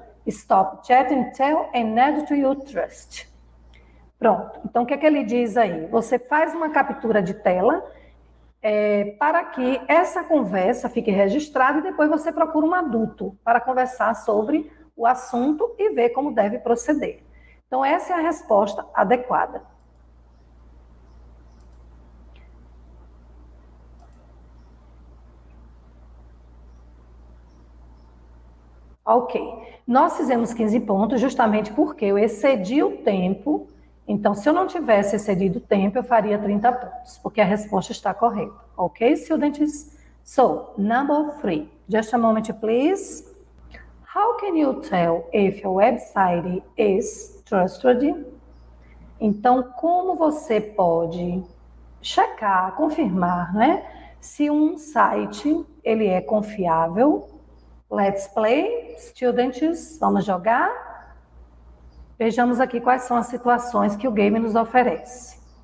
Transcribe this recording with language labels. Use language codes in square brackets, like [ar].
[en] Stop chatting, tell and add to your trust. [pt] Pronto. Então, o que é que ele diz aí? Você faz uma captura de tela para que essa conversa fique registrada e depois você procura um adulto para conversar sobre o assunto e ver como deve proceder. Então, essa é a resposta adequada. Ok, nós fizemos 15 pontos justamente porque eu excedi o tempo. Então, se eu não tivesse excedido o tempo, eu faria 30 pontos, porque a resposta está correta. [en] Ok, students? So, number three. Just a moment, please. How can you tell if a website is trustworthy? [pt] Então, como você pode checar, confirmar, né, se um site ele é confiável? [en] Let's play, students. [pt] Vamos jogar. Vejamos aqui quais são as situações que o game nos oferece.